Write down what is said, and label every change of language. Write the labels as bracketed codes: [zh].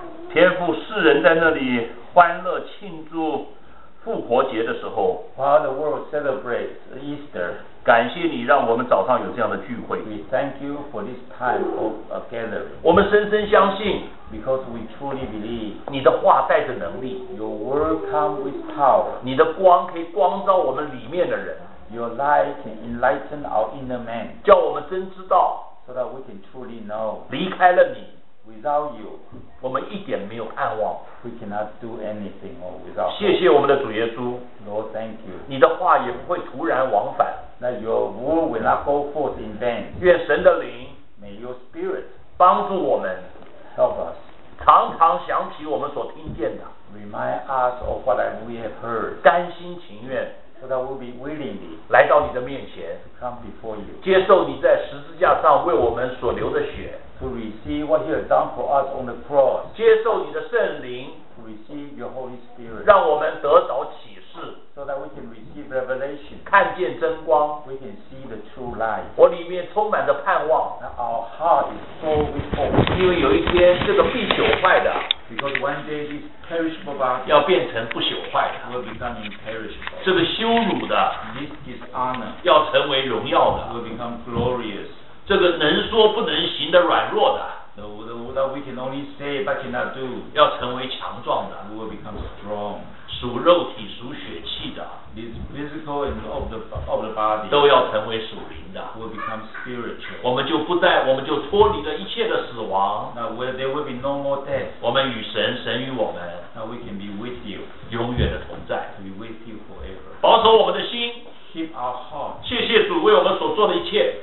[zh] 天父，世人在那里欢乐庆祝复活节的时候。 [en] While the world celebrates Easter. [zh] 感谢你让我们早上有这样的聚会。 [en] We thank you for this time of a gathering. [zh] 我们深深相信。 [en] Because we truly believe, [zh] 你的话带着能力。 [en] Your word comes with power. [zh] 你的光可以光照我们里面的人。 [en] Your light can enlighten our inner man. [zh] 叫我们真知道。 [en] So that we can truly know. [zh] 离开了你。 [en] Without you, [zh] 我们一点没有盼望。 [en] We cannot do anything or without. [zh] 谢谢我们的主耶稣。 [en] Lord, thank you. [zh] 你的话也不会徒然往返。 [en] That your word will not go forth in vain. [zh] 愿神的灵 [en] ，May your spirit [zh] 帮助我们。 [en] Help us. [zh] 常常想起我们所听见的。 [en] Remind us of what we have heard. [zh] 甘心情愿。 [en] So that we'll be willingly. [zh] 来到你的面前。 [en] Come before you. [zh] 接受你在十字架上为我们所流的血。 [en] to receive what you have done for us on the cross. [zh] 接受你的圣灵， [en] to receive your Holy Spirit. [zh] 让我们得着启示， [en] so that we can receive revelation. [zh] 看见真光， [en] we can see the true light. [zh] 我里面充满着盼望， [en] and our heart is so with hope. [zh] 因为有一天这个必朽坏的， [en] because one day this perishable body [zh] 要变成不朽坏的， [en] will become imperishable. [zh] 这个羞辱的， [en] this dishonor [zh] 要成为荣耀的， [en] will become glorious. [zh] 这个能说不能行的软弱的， [en] that we can only say but cannot do， [zh] 要成为强壮的， [en] we will become strong， [zh] 属肉体属血气的， [en] this physical and of the body， [zh] 都要成为属灵的， [en] we will become spiritual， [zh] 我们就不再，我们就脱离了一切的死亡， [en] now there will be no more death， [zh] 我们与神，神与我们， [en] now we can be with you， [zh] 永远的同在， [en] be with you forever， [zh] 保守我们的心。 [en] Keep our heart. [zh] 谢谢主为我们所做的一切。